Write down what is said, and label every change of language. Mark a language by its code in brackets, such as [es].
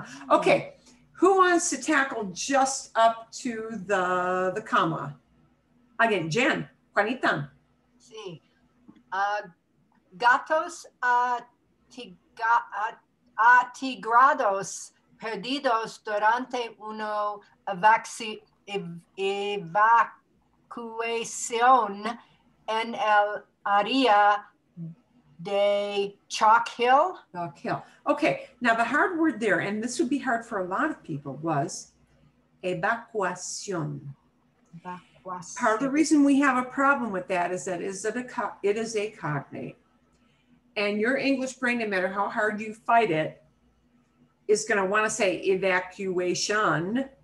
[en] Okay. Who wants to tackle just up to the comma? Again, Jen, Juanita. [es] Sí. Gatos atigrados perdidos durante uno evacuación en el área de Chalk Hill. [en] Chalk Hill. Okay. Now the hard word there, and this would be hard for a lot of people, was evacuación. [es] Evacuación. [en] Part of the reason we have a problem with that is that it is a cognate. And your English brain, no matter how hard you fight it, is going to want to say evacuation.